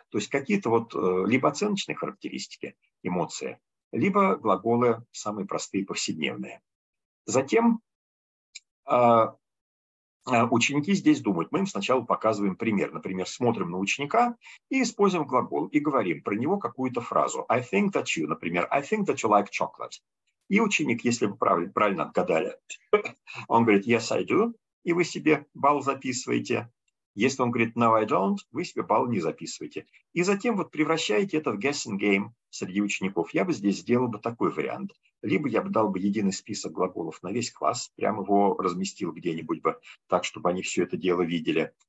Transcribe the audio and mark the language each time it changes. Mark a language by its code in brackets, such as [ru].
[ru] То есть какие-то вот либо оценочные характеристики, эмоции, либо глаголы самые простые, повседневные. Затем ученики здесь думают. Мы им сначала показываем пример. Например, смотрим на ученика и используем глагол и говорим про него какую-то фразу. [en] I think that you, [ru] например, [en] I think that you like chocolate. [ru] И ученик, если вы правильно отгадали, он говорит [en] yes, I do, [ru] и вы себе балл записываете. Если он говорит [en] no, I don't, [ru] вы себе балл не записываете. И затем вот превращаете это в guessing game среди учеников. Я бы здесь сделал бы такой вариант. Либо я бы дал бы единый список глаголов на весь класс, прямо его разместил где-нибудь бы так, чтобы они все это дело видели.